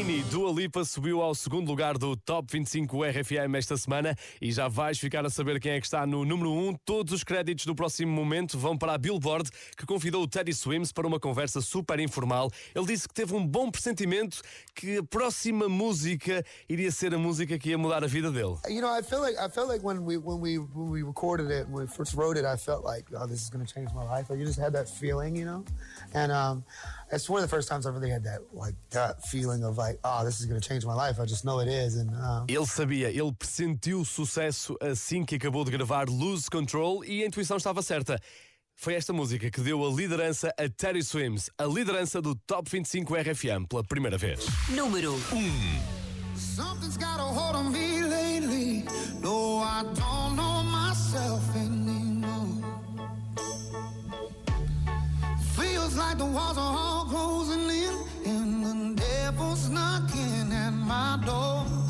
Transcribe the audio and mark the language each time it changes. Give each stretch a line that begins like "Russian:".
Portuguese: Dua Lipa subiu ao segundo lugar do Top 25 RFM esta semana e já vais ficar a saber quem é que está no número 1. Todos os créditos do próximo momento vão para a Billboard, que convidou o Teddy Swims para uma conversa super informal. Ele disse que teve um bom pressentimento que a próxima música iria ser a música que ia mudar a vida dele.
English: You know, I felt like when we recorded it, when we first wrote it, I felt like, oh, this is going to change my life. Like, you just had that feeling, you know? And it's one of the first times I've really had that, like, that feeling of like, oh, this is going to change my life. I just know it is. And,
Portuguese: ele sabia, ele pressentiu sucesso assim que acabou de gravar Lose Control e a intuição estava certa. Foi esta música que deu a liderança a Teddy Swims, a liderança do Top 25 RFM pela primeira vez. Número 1.
English: Something's got a hold on me lately. No, I don't know myself anymore. Feels like the walls are all closing in and the devil's knocking at my door.